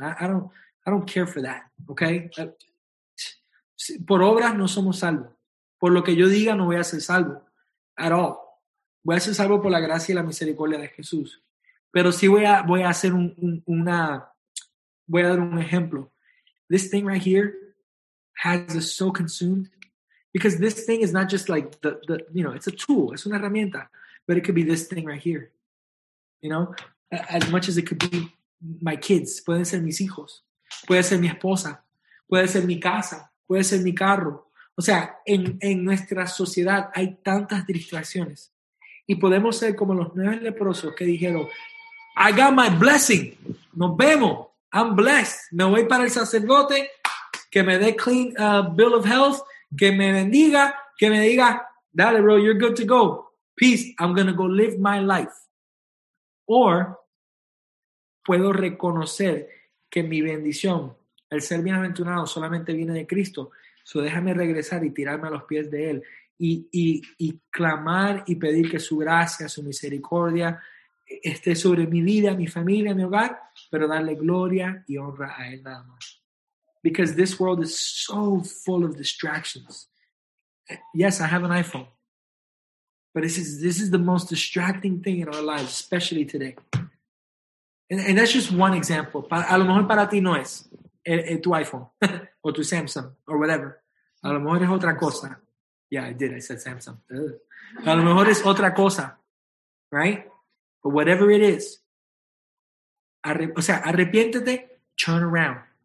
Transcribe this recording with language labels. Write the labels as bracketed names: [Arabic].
[English] I don't care for that, okay? [Spanish] Por obras no somos salvos. Por lo que yo diga no voy a ser salvo [English] at all. [Spanish] Voy a ser salvo por la gracia y la misericordia de Jesús. Pero sí voy a hacer voy a dar un ejemplo. [English] This thing right here has us so consumed. Because this thing is not just like the you know, it's a tool, it's [Spanish] una herramienta, [English] but it could be this thing right here, you know, as much as it could be my kids, [Spanish] pueden ser mis hijos, puede ser mi esposa, puede ser mi casa, puede ser mi carro. O sea, en nuestra sociedad hay tantas distracciones y podemos ser como los 9 leprosos que dijeron, [English] I got my blessing, [Spanish] nos vemos, [English] I'm blessed, [Spanish] me voy para el sacerdote que me dé [English] clean bill of health. [Spanish] Que me bendiga, que me diga, dale bro, [English] you're good to go. Peace, I'm going to go live my life. [Spanish] Or, puedo reconocer que mi bendición, el ser bienaventurado, solamente viene de Cristo. So déjame regresar y tirarme a los pies de Él. Y clamar y pedir que su gracia, su misericordia, esté sobre mi vida, mi familia, mi hogar, pero darle gloria y honra a Él nada más. [English] Because this world is so full of distractions. Yes, I have an iPhone. But this is the most distracting thing in our lives, especially today. And that's just one example. [Spanish] A lo mejor para ti no es tu iPhone or tu Samsung [English] or whatever. [Spanish] A lo mejor es otra cosa. [English] Yeah, I did. I said Samsung. [Spanish] A lo mejor es otra cosa. [English] Right? But whatever it is, [Spanish] arrepiéntete, [English] turn around.